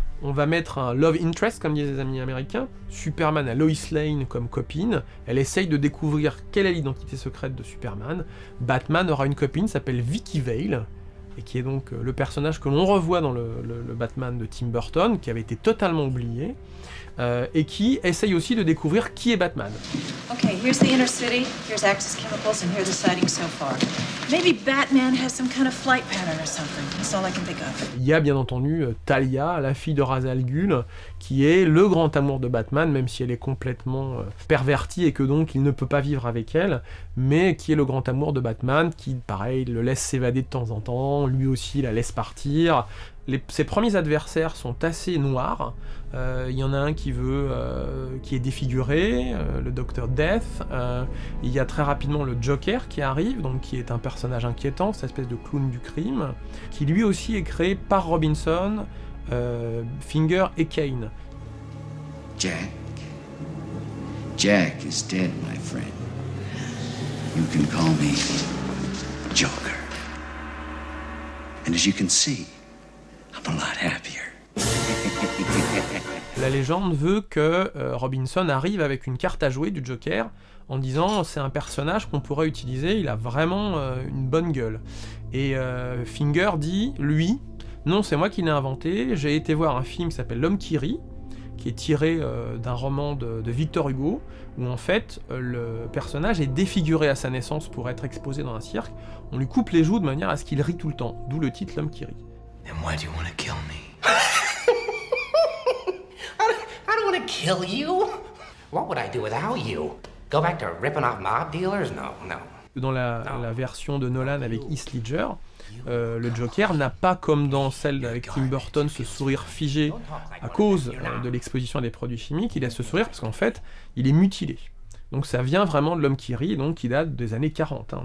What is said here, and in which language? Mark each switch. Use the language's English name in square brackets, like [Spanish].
[French] on va mettre un love interest, comme disent les amis américains. Superman a Lois Lane comme copine. Elle essaye de découvrir quelle est l'identité secrète de Superman. Batman aura une copine, s'appelle Vicki Vale, et qui est donc le personnage que l'on revoit dans le Batman de Tim Burton, qui avait été totalement oublié, et qui essaye aussi de découvrir qui est Batman. [English] Ok, here's the inner city, here's Axis Chemicals, and here's the sighting so far. Maybe Batman has some kind of flight pattern or something. That's all I can think of. [French] Il y a bien entendu Talia, la fille de Ra's al Ghul, qui est le grand amour de Batman, même si elle est complètement pervertie et que donc il ne peut pas vivre avec elle, mais qui est le grand amour de Batman, qui, pareil, le laisse s'évader de temps en temps, lui aussi la laisse partir. Ses premiers adversaires sont assez noirs. Il y en a un qui est défiguré, le Docteur Death. Il y a très rapidement le Joker qui arrive, donc qui est un personnage inquiétant, cette espèce de clown du crime, qui lui aussi est créé par Robinson, Finger et Kane. [English] Jack. Jack is dead, my friend. You can call me Joker. And as you can see, I'm a lot happier. [French] La légende veut que Robinson arrive avec une carte à jouer du Joker en disant c'est un personnage qu'on pourrait utiliser, il a vraiment une bonne gueule. Et Finger dit, lui, non, c'est moi qui l'ai inventé, j'ai été voir un film qui s'appelle L'Homme qui rit, qui est tiré d'un roman de Victor Hugo, où en fait le personnage est défiguré à sa naissance pour être exposé dans un cirque, on lui coupe les joues de manière à ce qu'il rit tout le temps, d'où le titre L'Homme qui rit. [English] Then why do you want to kill me? Kill you? What would I do without you? Go back to ripping off mob dealers? No, no. [French] Dans la version de Nolan avec Heath Ledger, le Joker n'a pas, comme dans celle avec Tim Burton, ce sourire figé à cause de l'exposition à des produits chimiques. Il a ce sourire parce qu'en fait, il est mutilé. Donc ça vient vraiment de L'Homme qui rit, donc qui date des années 40. Hein.